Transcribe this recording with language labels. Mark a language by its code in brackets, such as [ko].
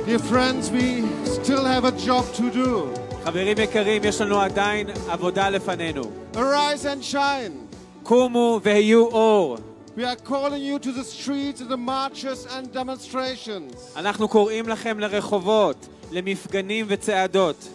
[en] Friends, we still have a job to do. [he] חברים יקרים, יש לנו עדיין עבודה לפנינו. [en] Arise and shine. [he] קומו והיו אור. [en] We are calling you to the streets, to the marches and demonstrations. [he] אנחנו קוראים לכם לרחובות, למפגנים וצעדות.